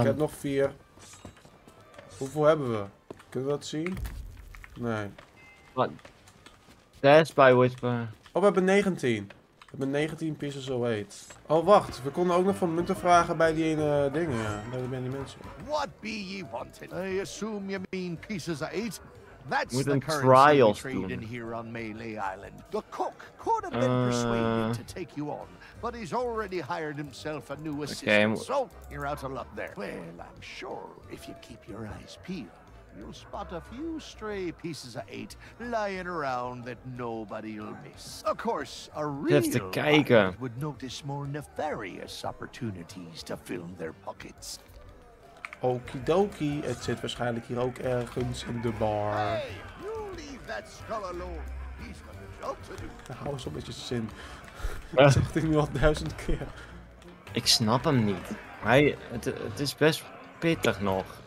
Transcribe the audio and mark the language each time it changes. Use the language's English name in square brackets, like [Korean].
[Dutch] Ik heb nog 4. Hoeveel hebben we? Kunnen we dat zien? Nee. Wat? [English] That's by whisper. [Dutch] Oh, we hebben 19. We hebben 19 [English] pieces of weight. [Dutch] Oh, wacht. We konden ook nog van munten vragen bij die ene dingen. Ja, bij die mensen. [English] What be ye wanted? I assume you mean pieces of eight? That's the currency we trade in here on Melee Island. The cook could have been persuaded to take you on, but he's already hired himself a new assistant, so you're out of luck there. Well, I'm sure if you keep your eyes peeled, you'll spot a few stray pieces of eight lying around that nobody'll miss. Of course, a real pirate would notice more nefarious opportunities to fill their pockets. [Dutch] Okidoki, het zit waarschijnlijk hier ook ergens in de bar. Hey, you leave that skull alone. He's got a job to do. Nou, hou eens op met je zin. Dat zegt hij nu al 1000 keer. Ik snap hem niet. Hij, het is best pittig nog.